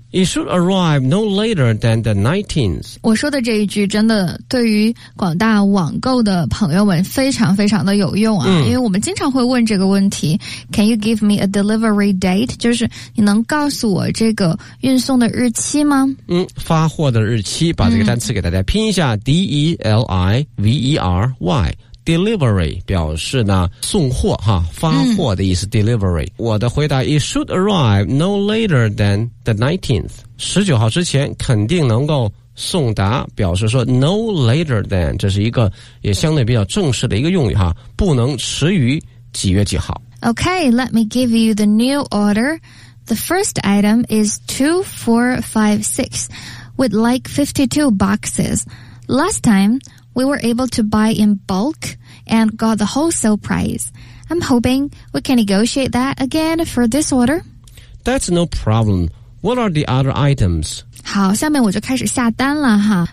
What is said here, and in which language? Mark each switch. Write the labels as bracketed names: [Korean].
[English] It should arrive no later than the 19th. [Chinese] 我说的这一句真的对于广大网购的朋友们非常非常的有用啊、因为我们经常会问这个问题。 [English] Can you give me a delivery date? [Chinese] 就是你能告诉我这个运送的日期吗？发货的日期，把这个单词给大家拼一下、D-E-L-I-V-E-R-Y delivery 表示呢送货哈，发货的意思、delivery。我的回答 [English] It should arrive no later than the 19th [Chinese] 19号之前肯定能够送达，表示说 no later than， 这是一个也相对比较正式的一个用语哈，不能迟于几月几号。 [English] OK, let me give you the new order. The first item is 2456 with like 52 boxes. Last timeWe were able to buy in bulk and got the wholesale price. I'm hoping we can negotiate that again for this order. That's no problem. What are the other items? [Chinese] 好，下面我就开始下单了哈。